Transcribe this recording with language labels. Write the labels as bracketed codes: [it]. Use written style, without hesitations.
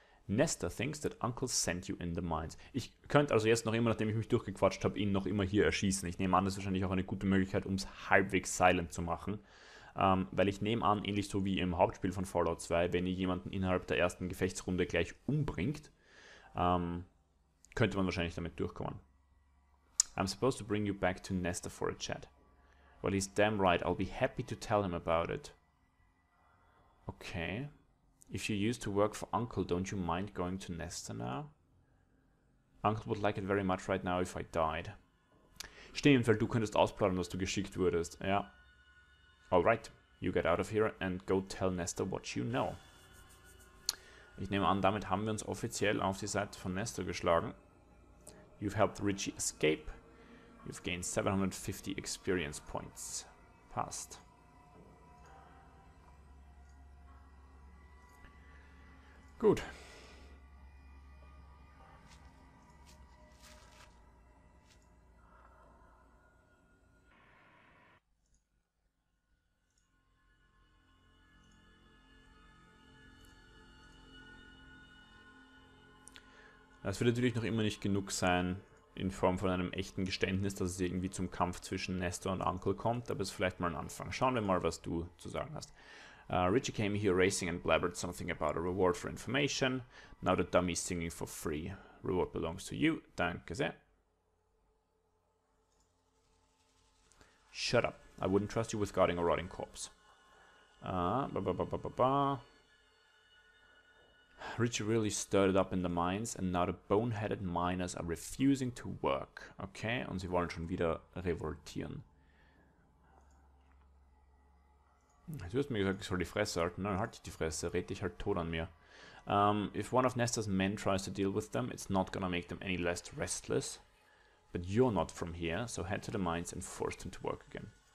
[en] Nestor thinks that Uncle sent you in the mines. [de] Ich könnte also jetzt noch immer, nachdem ich mich durchgequatscht habe, ihn noch immer hier erschießen. Ich nehme an, das ist wahrscheinlich auch eine gute Möglichkeit, um es halbwegs silent zu machen. Weil ich nehme an, ähnlich so wie im Hauptspiel von Fallout 2, wenn ihr jemanden innerhalb der ersten Gefechtsrunde gleich umbringt, könnte man wahrscheinlich damit durchkommen. [en] I'm supposed to bring you back to Nestor for a chat. Well, he's damn right. I'll be happy to tell him about it. Okay. If you used to work for Uncle, don't you mind going to Nestor now? Uncle would like it very much right now if I died. [de] Stimmt, weil du könntest ausplaudern, dass du geschickt würdest. Ja. [en] Alright, you get out of here and go tell Nestor what you know. [de] Ich nehme an, damit haben wir uns offiziell auf die Seite von Nestor geschlagen. [en] You've helped Richie escape. You've gained 750 experience points. [de] Passt. Gut. Das wird natürlich noch immer nicht genug sein in Form von einem echten Geständnis, dass es irgendwie zum Kampf zwischen Nestor und Onkel kommt, aber es ist vielleicht mal ein Anfang. Schauen wir mal, was du zu sagen hast. [en] Richie came here racing and blabbered something about a reward for information. Now the dummy is singing for free. Reward belongs to you. [de] Danke sehr. [en] Shut up. I wouldn't trust you with guarding a rotting corpse. Ba ba ba ba ba ba. Richard really stirred it up in the mines and now the boneheaded miners are refusing to work. [de] Okay, und sie wollen schon wieder revoltieren. Du hast mir gesagt, ich soll die Fresse halten. Nein, halt dich die Fresse, red dich halt tot an mir. [en] If one of Nestor's men tries to deal with them, it's not gonna make them any less restless. But you're not from here, so head to the mines and force them to work again.